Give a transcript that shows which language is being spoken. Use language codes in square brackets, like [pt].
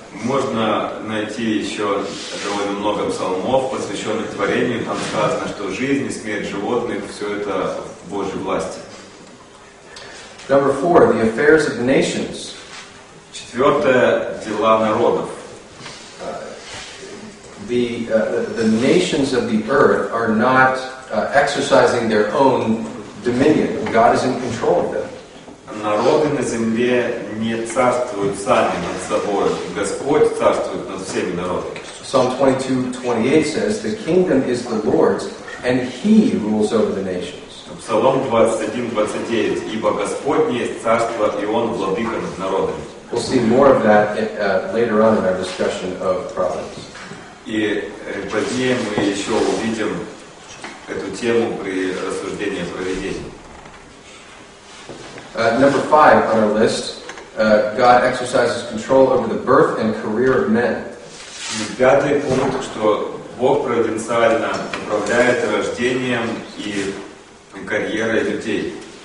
[ru] Можно найти еще довольно много псалмов, посвященных творению. Там сказано, что жизнь и смерть животных, все это в Божьей власти. [en] Number four, the affairs of the nations. [ru] Четвертое, дела народов. [en] The nations of the earth are not exercising their own dominion. God is in control of them. [ru] Народы на земле не царствуют сами над собой. Господь царствует над всеми народами. [en] Psalm 22:28 says, "The kingdom is the Lord's, and He rules over the nations." [ru] Псалом 21:29, ибо Господь есть царство, и Он владыка над народами. [en] We'll see more of that later on in our discussion of Proverbs. [ru] И позднее мы еще увидим эту тему при рассуждении о провидении. [en] Number five on our list, God exercises control over the birth and career of men. [ru] Пятый пункт, что Бог провиденциально управляет рождением и карьерой людей.